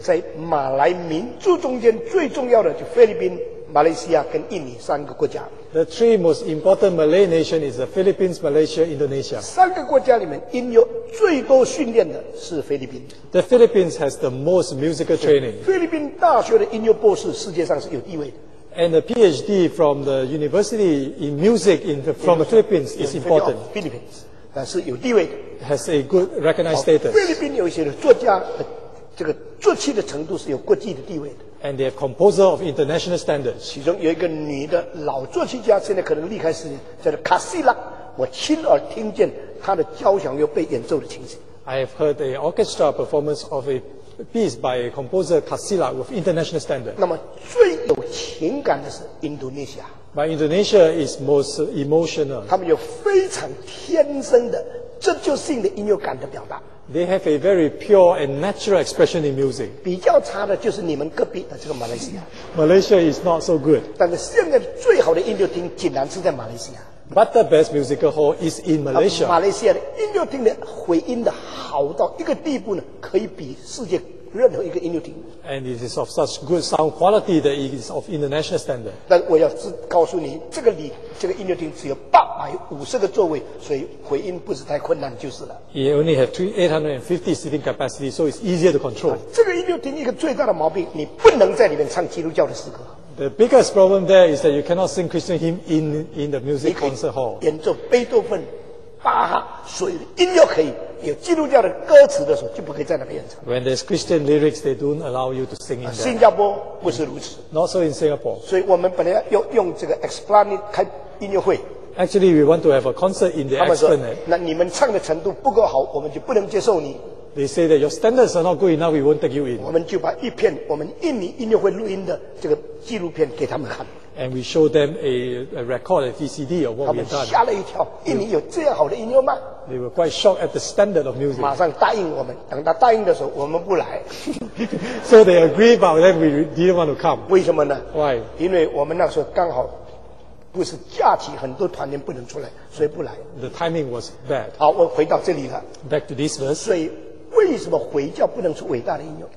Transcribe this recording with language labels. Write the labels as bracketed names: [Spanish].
[Chinese] 在马来民族中间最重要的就菲律宾。马来西亚跟印尼三个国家。 [English] The three most important Malay nation is the Philippines, Malaysia, Indonesia. [Chinese] 三个国家里面，音乐最多训练的是菲律宾。 [English] The Philippines has the most musical training. [Chinese] 菲律宾大学的音乐博士世界上是有地位的。 [English] And the PhD from the university in music from the Philippines is important. [Chinese] Philippines 是有地位的。 [English] Has a good recognized status. [Chinese] 菲律宾有一些的作家，这个作曲的程度是有国际的地位的。 [English] And they are composer of international standards. [Chinese] 其中有一个女的老作曲家，现在可能离开世界，叫做卡西拉。我亲耳听见她的交响乐被演奏的情形。 [English] I have heard an orchestra performance of a piece by a composer Kasila with international standards. [Chinese] 那么最有情感的是印度尼西亚。 [English] But Indonesia is most emotional. [Chinese] 他们有非常天生的直接性的音乐感的表达。 [English] They have a very pure and natural expression in music. [Chinese] 比较差的就是你们隔壁的这个马来西亚。 [English] Malaysia is not so good. [Chinese] 但是现在最好的音乐厅竟然是在马来西亚。 [English] But the best musical hall is in Malaysia. [Chinese] 马来西亚的音乐厅的回音的好到一个地步呢，可以比世界任何一个音乐厅。 [English] And it is of such good sound quality that it is of international standard. [Chinese] 但我要告诉你，这个音乐厅只有850个座位，所以回音不是太困难就是了。 [English] He only have 850 sitting capacity, so it's easier to control. [Chinese] 这个音乐厅一个最大的毛病，你不能在里面唱基督教的诗歌。 [English] The biggest problem there is that you cannot sing Christian hymn in the music concert hall. [Chinese] 你可以演奏贝多芬、巴哈，所有的音乐可以。有基督教的歌词的时候，就不可以在那边演唱。 [English] When there's Christian lyrics, they don't allow you to sing in there. [Chinese] 新加坡不是如此。 [English] Not so in Singapore. [Chinese] 所以我们本来要用这个 Esplanade 开音乐会。 [English] Actually, we want to have a concert in the Esplanade. [Chinese] 那你们唱的程度不够好，我们就不能接受你。 [English] They say that your standards are not good enough, we won't take you in. [Chinese] 我们就把一片我们印尼音乐会录音的这个纪录片给他们看。 [English] And we show them a record, a VCD of what we've done. [Chinese] 他们吓了一跳，印尼有这样好的音乐吗？ [English] They were quite shocked at the standard of music. [Chinese] 马上答应我们，等他答应的时候，我们不来。 [English] So they agreed, but then we didn't want to come. [Chinese] 为什么呢？ [English] Why? [Chinese] 因为我们那时候刚好不是假期，很多团员不能出来，所以不来。 [English] The timing was bad. [Chinese] 好，我回到这里了。 [English] Back to this verse. [Chinese] 所以为什么回教不能出伟大的音乐？